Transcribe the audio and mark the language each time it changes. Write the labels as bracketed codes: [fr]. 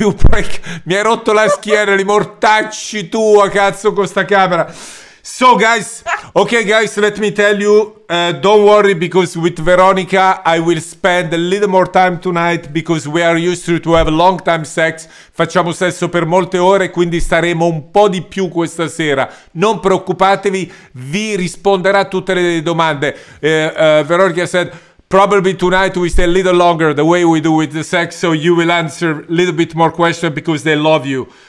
[en] You break. [it] Mi hai rotto la schiena. Li mortacci tua, cazzo, con sta camera. [en] So, guys. Okay, guys. Let me tell you. Don't worry, because with Veronica, I will spend a little more time tonight, because we are used to have long time sex. [it] Facciamo sesso per molte ore, quindi staremo un po' di più questa sera. Non preoccupatevi, vi risponderà tutte le domande. [en] Veronica said, probably tonight we stay a little longer, the way we do with the sex, so you will answer a little bit more questions, because they love you.